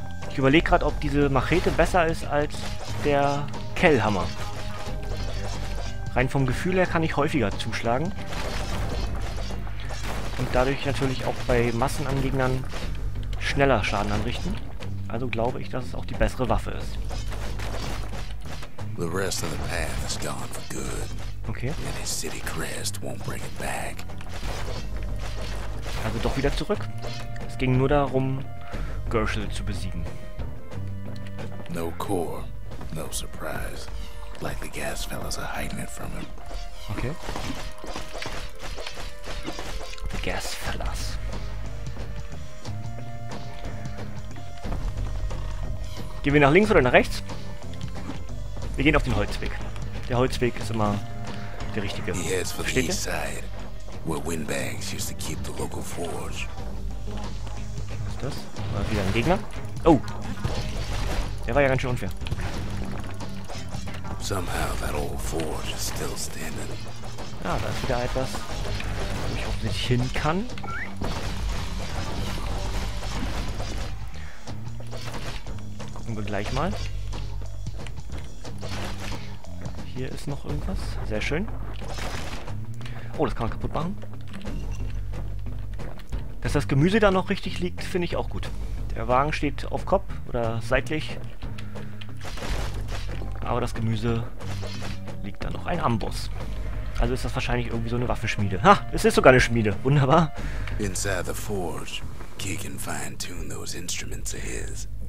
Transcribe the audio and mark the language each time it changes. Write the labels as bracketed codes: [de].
[de] Ich überlege gerade, ob diese Machete besser ist als der Kellhammer. Rein vom Gefühl her kann ich häufiger zuschlagen. Und dadurch natürlich auch bei Massen an Gegnern schneller Schaden anrichten. Also glaube ich, dass es auch die bessere Waffe ist. [en] The rest of the path is gone for good. Okay. And his city crest won't bring it back. [de] Also doch wieder zurück. Es ging nur darum, Gershowl zu besiegen. [en] No core, no surprise. Like the gas fellas are hiding it from him. Okay. The gas fellas. [de] Gehen wir nach links oder nach rechts? Wir gehen auf den Holzweg. Der Holzweg ist immer der richtige. Versteht ihr? [en] were windbags used to keep the local forge. [de] Was ist das? War wieder ein Gegner? Oh! Der war ja ganz schön unfair. [en] Somehow that old forge is still standing. [de] Ah, da ist wieder etwas, wo ich auch nicht hin kann. Gucken wir gleich mal. Hier ist noch irgendwas. Sehr schön. Oh, das kann man kaputt machen. Dass das Gemüse da noch richtig liegt, finde ich auch gut. Der Wagen steht auf Kopf oder seitlich. Aber das Gemüse liegt da noch. Ein Amboss. Also ist das wahrscheinlich irgendwie so eine Waffenschmiede. Ha, es ist sogar eine Schmiede. Wunderbar. [en] Inside the forge, he can fine-tune those instruments of his.